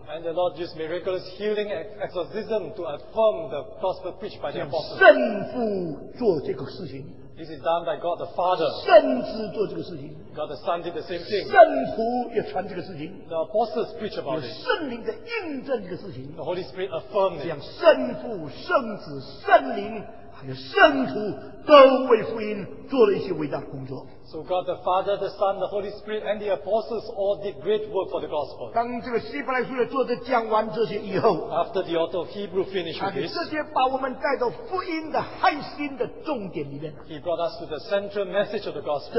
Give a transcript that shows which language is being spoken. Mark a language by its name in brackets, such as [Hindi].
[English] And the Lord used miraculous healing and exorcism to affirm the gospel preached by the apostles. [Chinese] 圣父做这个事情。 [English] This is done by God the Father. God the Son did the same thing. [Chinese] 圣徒也传这个事情, [English] the apostles preach about it. [Chinese] 圣灵在印证这个事情, [English] the Holy Spirit affirmed it. [Chinese] 这样圣父、圣子、圣灵还有圣徒都为福音做了一些伟大的工作。 [English] So God the Father, the Son, the Holy Spirit, and the apostles all did great work for the gospel. After the author of Hebrew finished with this, he brought us to the central message of the gospel.